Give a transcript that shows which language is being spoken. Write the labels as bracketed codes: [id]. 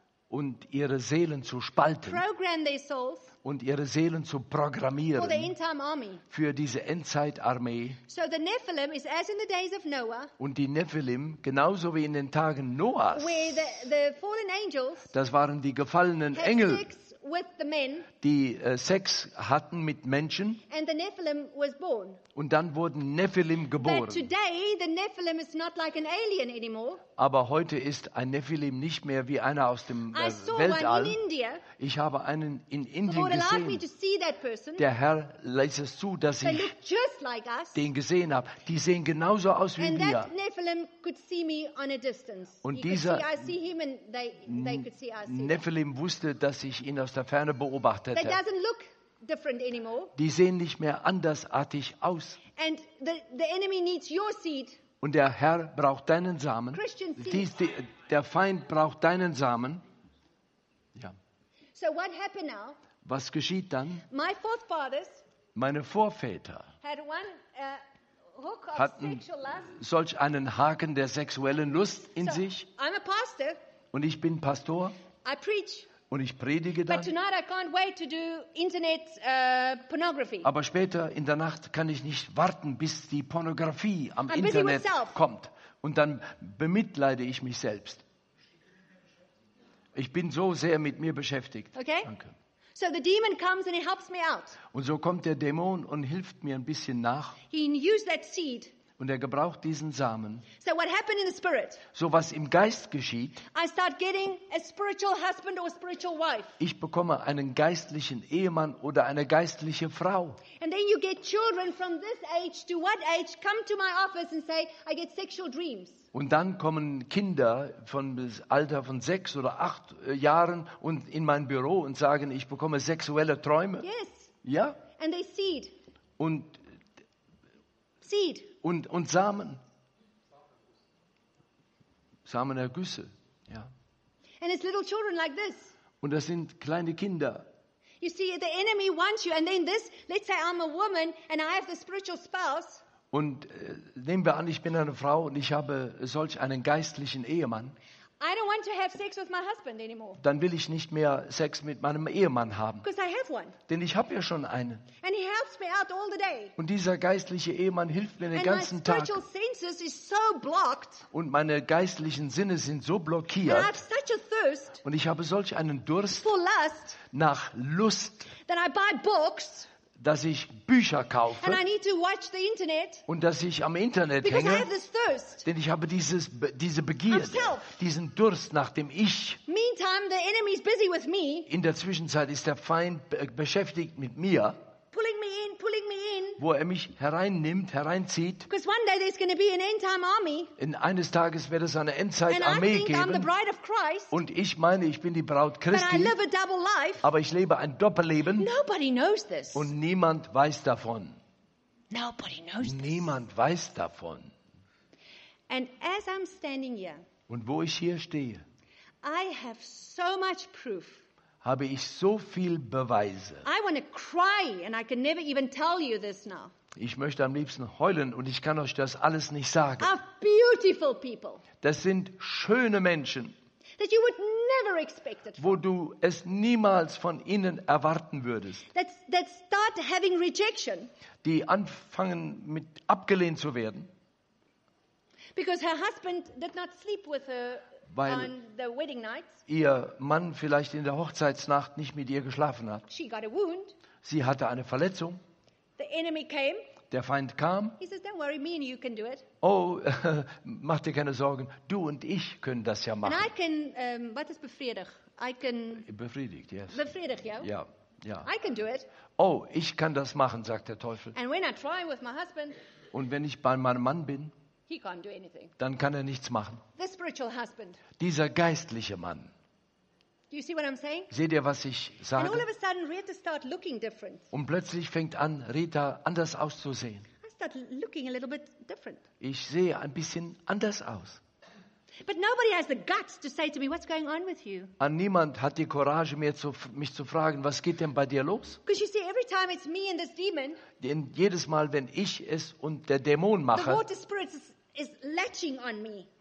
[de] und ihre Seelen zu spalten, [en] program their souls, [de] und ihre Seelen zu programmieren, [en] for the end time army, [de] für diese Endzeitarmee. [en] So the Nephilim is as in the days of Noah, [de] und die Nephilim, genauso wie in den Tagen Noahs, [en] where the fallen angels, [de] das waren die gefallenen Engel, [en] with the men, [de] die Sex hatten mit Menschen, [en] and the Nephilim was born, [de] und dann wurden Nephilim geboren. [en] But today the Nephilim is not like an alien anymore. [de] Aber heute ist ein Nephilim nicht mehr wie einer aus dem Weltall. [en] In India, [de] ich habe einen in Indien [en] the Lord [de] gesehen. [en] Allowed me to see that person. [de] Der Herr lässt es zu, dass [en] they [de] ich [en] look just like us, [de] den gesehen habe. Die sehen genauso aus wie [en] and [de] wir. [en] That Nephilim could see me on a distance. [de] Und [en] he [de] dieser [en] could see, I see him and they could see us. [de] Nephilim wusste, dass ich ihn aus der Ferne beobachtete. [en] They doesn't look different anymore. [de] Die sehen nicht mehr andersartig aus. [en] And the enemy needs your seed. [de] Und der Herr braucht deinen Samen. Der Feind braucht deinen Samen. Ja. [en] So what happened now? [de] Was geschieht dann? [en] My forefathers, [de] meine Vorväter, [en] had one, hook of [de] hatten [en] sexual lust, [de] solch einen Haken der sexuellen Lust in [en] so, [de] sich. [en] I'm a pastor, [de] und ich bin Pastor. [en] I preach. [de] Und ich predige dann. [en] But tonight I can't wait to do internet, pornography. [de] Aber später in der Nacht kann ich nicht warten, bis die Pornografie am Internet kommt. Und dann bemitleide ich mich selbst. Ich bin so sehr mit mir beschäftigt. [en] Okay. [de] Danke. [en] So the demon comes and he helps me out. [de] Und so kommt der Dämon und hilft mir ein bisschen nach. [en] He used that seed. [de] Und er gebraucht diesen Samen. [en] So, what happened in the spirit? [de] So was im Geist geschieht. [en] I start getting a spiritual husband or spiritual wife. [de] Ich bekomme einen geistlichen Ehemann oder eine geistliche Frau. [en] And then you get children from this age to what age come to my office and say I get sexual dreams. [de] Und dann kommen Kinder von Alter von 6 oder 8 Jahren und in mein Büro und sagen, ich bekomme sexuelle Träume. [en] Yes. [de] Ja. [en] And they seed. [de] Und [en] seed. [de] Und Samen. Samenergüsse. Ja. [en] And it's little children like this. [de] Und das sind kleine Kinder. [en] You see, the enemy wants you, and then this. Let's say I'm a woman and I have the spiritual spouse. [de] Und nehmen wir an, ich bin eine Frau und ich habe solch einen geistlichen Ehemann. [en] I don't want to have sex with my husband anymore. [de] Dann will ich nicht mehr Sex mit meinem Ehemann haben. [en] Because I have one. [de] Denn ich habe ja schon einen. [en] And he helps me out all the day. [de] Und dieser geistliche Ehemann hilft mir den ganzen Tag. [en] And my spiritual senses is so blocked. [de] Und meine geistlichen Sinne sind so blockiert. [en] And I have such a thirst. [de] Und ich habe solch einen Durst. [en] For lust. [de] Nach Lust. [en] Then I buy books. [de] Dass ich Bücher kaufe. [en] And I need to watch the internet, [de] und dass ich am Internet hänge. Denn ich habe diese Begierde, [en] himself. [de] Diesen Durst nach dem Ich. [en] Meantime, the enemy is busy with me, [de] in der Zwischenzeit ist der Feind beschäftigt mit mir, [en] pulling me in, [de] wo er mich hereinnimmt, hereinzieht. [en] Because one day there's going to be an end-time army, [de] in eines Tages wird es eine Endzeit-Armee geben. [en] I'm the bride of Christ, [de] und ich meine, ich bin die Braut Christi. [en] But I live a double life, [de] aber ich lebe ein Doppelleben. [en] Nobody knows this. [de] Und niemand weiß davon. [en] Nobody knows this. [de] Niemand weiß davon. [en] And as I'm standing here, [de] und wo ich hier stehe, [en] I have so much proof. [de] Habe ich so viel Beweise. [en] I want to cry and I can never even tell you this now. [de] Ich möchte am liebsten heulen und ich kann euch das alles nicht sagen. [en] Of beautiful people. [de] Das sind schöne Menschen. [en] That you would never expect it from. [de] Wo du es niemals von ihnen erwarten würdest. [en] That start having rejection. [de] Die anfangen mit abgelehnt zu werden. [en] Because her husband did not sleep with her. [de] Weil ihr Mann vielleicht in der Hochzeitsnacht nicht mit ihr geschlafen hat. [en] She got a wound. [de] Sie hatte eine Verletzung. [en] The enemy came. [de] Der Feind kam. [en] He says, "Don't worry, me and you can do it." [de] Oh, mach dir keine Sorgen. Du und ich können das ja machen. [en] And I can, what is befriedigt? I can. Befriedigt, yes. [de] Befriedigt, ja. Ja, ja. [en] I can do it. [de] Oh, ich kann das machen, sagt der Teufel. [en] And when I try with my husband. [de] Und wenn ich bei meinem Mann bin. [en] He can't do anything. [de] Dann kann er nichts machen. [en] The spiritual husband. [de] Dieser geistliche Mann. [en] Do you see what I'm saying? [de] Seht ihr, was ich sage? [en] And all of a sudden, Rita started looking different. [de] Und plötzlich fängt an, Rita anders auszusehen. [en] I start looking a little bit different. [de] Ich sehe ein bisschen anders aus. [en] But nobody has the guts to say to me, what's going on with you? [de] An niemand hat die Courage mich zu fragen, was geht denn bei dir los? [en] Because you see, every time it's me and this demon. [de] Denn jedes Mal, wenn ich es und der Dämon mache. [en] The water spirit is latching on me.